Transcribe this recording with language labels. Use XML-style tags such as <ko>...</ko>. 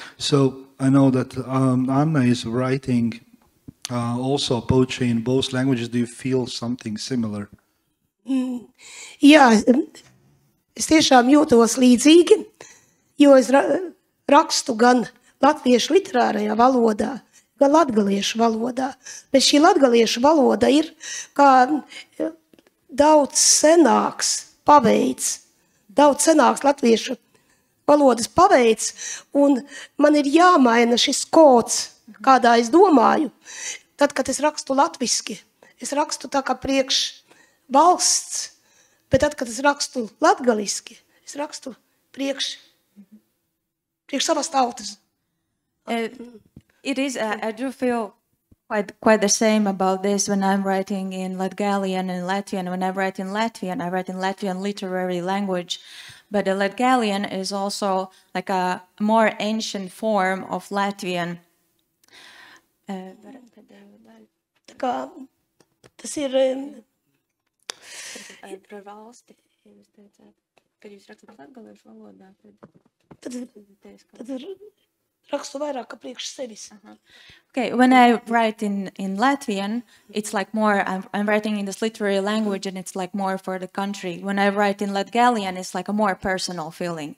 <en>So I know that Anna is writing also poetry in both languages. Do you feel something similar?</en> <lv>Jā, es tiešām jūtos līdzīgi, jo es rakstu gan latviešu literārajā valodā, gan latgaliešu valodā. Bet šī latgaliešu valoda ir kā daudz senāks paveids, daudz senāks latviešu valodas paveids, un man ir jāmaina šis kods, kādā es domāju, tad, kad es rakstu latviski. Es rakstu tā kā priekš valsts, bet tad, kad es rakstu latgaliski, es rakstu priekš savas tautas.</lv> <en>It is, I do feel quite the same about this when I'm writing in Latgalian and Latvian. When I write in Latvian, I write in Latvian literary language. But the Latgalian is also like a more ancient form of Latvian.</en> <lv>Tas ir par valsti, jūs teicāt, kad jūs rakstat latgaliešu valodā, tad rakstu vairāk kā priekš sevis.</lv> <en>Okay, when I write in Latvian, it's like more, I'm writing in this literary language and it's like more for the country. When I write in Latgalian, it's like a more personal feeling.</en>